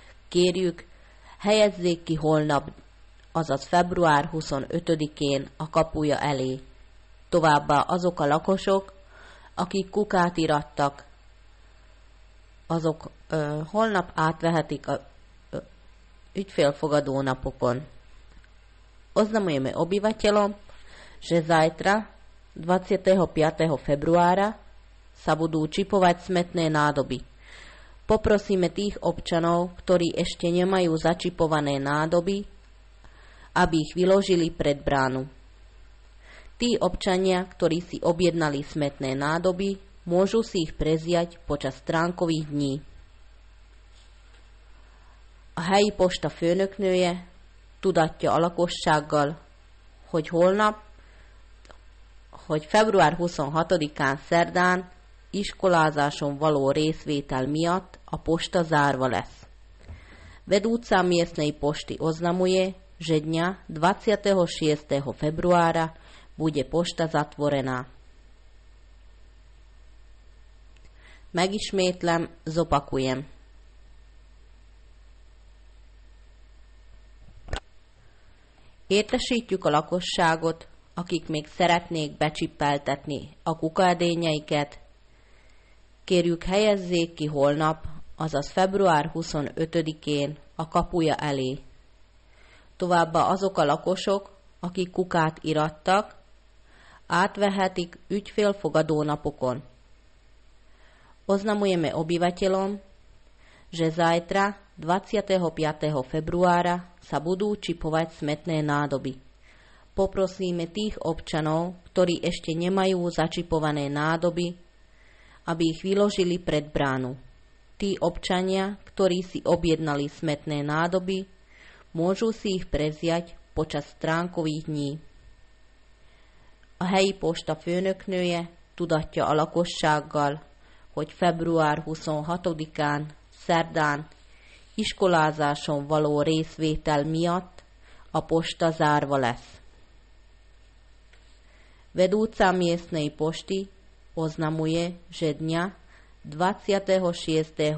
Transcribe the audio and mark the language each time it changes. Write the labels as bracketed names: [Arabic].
[Hungarian] Kérjük, helyezzék ki holnap, azaz február 25-én a kapuja elé. Továbbá azok a lakosok, akik kukát irattak, azok holnap átvehetik a ügyfélfogadó napokon. [Slovak] Oznamujeme obyvateľom, že zajtra, 25. februára, sa budú čipovať smetné nádoby. Poprosíme tých občanov, ktorí ešte nemajú začipované nádoby, aby ich vyložili pred bránu. Tí občania, ktorí si objednali smetné nádoby, môžu si ich preziať počas stránkových dní. [Hungarian] A helyi posta főnöknője tudatja a lakossággal, hogy holnap, hogy február 26-án szerdán iskolázáson való részvétel miatt a posta zárva lesz. [Slovak] Vedúca miestnej posty oznamuje, že dňa 26. februára bude posta zatvorená. [Hungarian] Megismétlem, [Slovak] zopakujem. [Hungarian] Értesítjük a lakosságot, akik még szeretnék becsippeltetni a kukaedényeiket. Kérjük, helyezzék ki holnap, azaz február 25-én a kapuja elé. Továbbá azok a lakosok, akik kukát irattak, átvehetik ügyfélfogadó napokon. [Slovak] Oznamujeme obyvateľom, že zajtra 25. februára sa budú čipovať smetné nádoby. Poprosíme tých občanov, ktorí ešte nemajú začipované nádoby, aby ich vyložili pred bránu. Tí občania, ktorí si objednali smetné nádoby, môžu si ich preziať počas stránkových dní. [Hungarian] A helyi posta főnöknője tudatja a lakossággal, hogy február 26-án, szerdán, iskolázáson való részvétel miatt a posta zárva lesz. [Slovak] Vedúca miestnej posty oznamuje, že dňa 26.